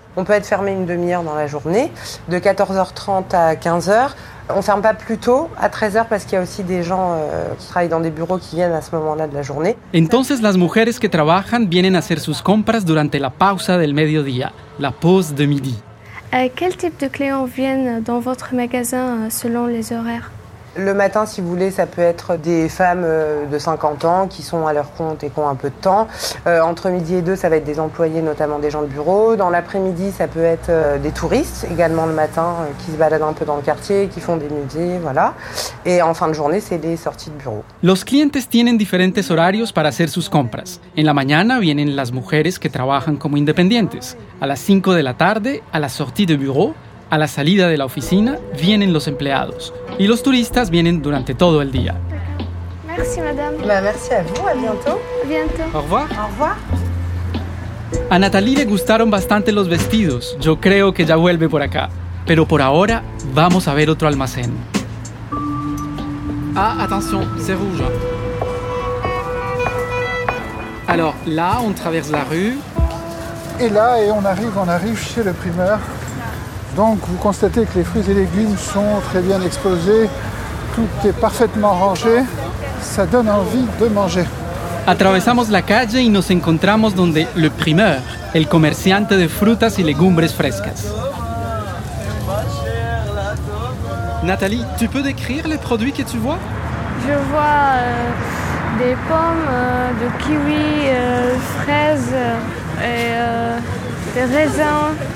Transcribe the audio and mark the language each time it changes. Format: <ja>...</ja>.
<fr>On peut être fermé une demi-heure dans la journée, de 14h30 à 15h. On ne ferme pas plus tôt, à 13h, parce qu'il y a aussi des gens qui travaillent dans des bureaux qui viennent à ce moment-là de la journée.</fr> <es>Entonces, las mujeres que trabajan vienen a hacer sus compras durante la pausa del mediodía,</es> <fr>la pause de midi. Quel type de clients viennent dans votre magasin selon les horaires? Le matin, si vous voulez, ça peut être des femmes de 50 ans qui sont à leur compte et qui ont un peu de temps. Entre midi et deux, ça va être des employés, notamment des gens de bureau. Dans l'après-midi, ça peut être des touristes également le matin qui se baladent un peu dans le quartier, qui font des musées, voilà. Et en fin de journée, c'est des sorties de bureau.</fr> <es>Los clientes tienen diferentes horarios para hacer sus compras. En la mañana vienen las mujeres que trabajan como independientes. A las 5 de la tarde,</es> <fr>a la sortie de bureau,</fr> <es>a la salida de la oficina vienen los empleados y los turistas vienen durante todo el día.</es> <fr>Merci, madame. Bah, merci a vous. A bientôt. A bientôt. Au revoir. Au revoir.</fr> <es>A Nathalie le gustaron bastante los vestidos. Yo creo que ya vuelve por acá. Pero por ahora, vamos a ver otro almacén.</es> <fr>Ah, attention, c'est rouge. Alors, là, on traverse la rue. Et là, et on arrive chez le primeur. Donc, vous constatez que les fruits et légumes sont très bien exposés, tout est parfaitement rangé, ça donne envie de manger.</fr> <es>Atravesamos la calle y nos encontramos donde le primeur, el comerciante de frutas y legumbres frescas.</es> <fr>Nathalie, tu peux décrire les produits que tu vois? Je vois des pommes, de kiwis, fraises et des raisins.</fr>